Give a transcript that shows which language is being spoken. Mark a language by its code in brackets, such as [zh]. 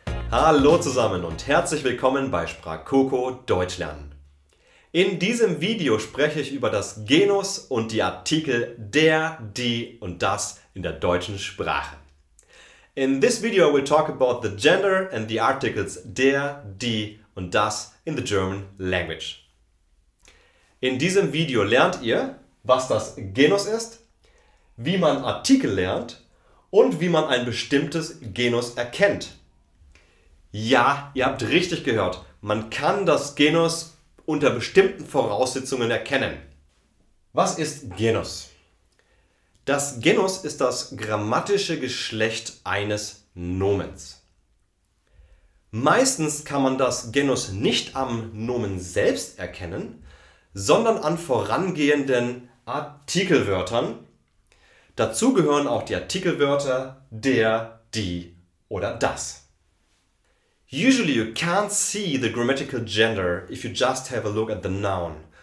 [de] Hallo zusammen und herzlich willkommen bei Sprakuko Deutsch lernen. In diesem Video spreche ich über das Genus und die Artikel der, die und das in der deutschen Sprache. [en] In this video I will talk about the gender and the articles der, die und das in the German language. [de] In diesem Video lernt ihr, was das Genus ist, wie man Artikel lernt und wie man ein bestimmtes Genus erkennt. Ja, ihr habt richtig gehört, man kann das Genus unter bestimmten Voraussetzungen erkennen. Was ist Genus? Das Genus ist das grammatische Geschlecht eines Nomens. Meistens kann man das Genus nicht am Nomen selbst erkennen, sondern an vorangehenden Artikelwörtern. Dazu gehören auch die Artikelwörter der, die oder das. [en] Usually you can't see the grammatical gender if you just have a look at the noun.